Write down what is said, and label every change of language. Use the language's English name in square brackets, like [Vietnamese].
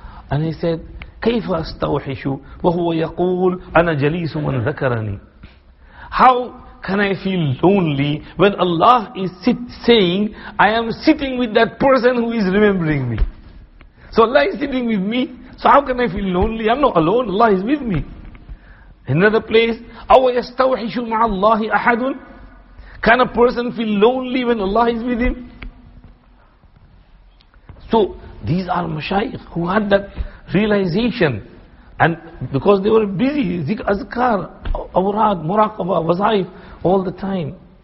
[English] And he said, [Arabic] Kaifa astawhishu? Wa huwa yaqul, ana jalisu man dhakarani. [English] How can I feel lonely when Allah is saying, I am sitting with that person who is remembering me? So Allah is sitting with me, so how can I feel lonely? I'm not alone, Allah is with me. Another place, [Arabic] أَوَ يَسْتَوْحِشُ مَعَ اللَّهِ أَحَدٌ. [English] Can a person feel lonely when Allah is with him? So these are mashayikh who had that realization. And because they were busy, zikr, azkar, awrad, muraqaba, wazaif, all the time.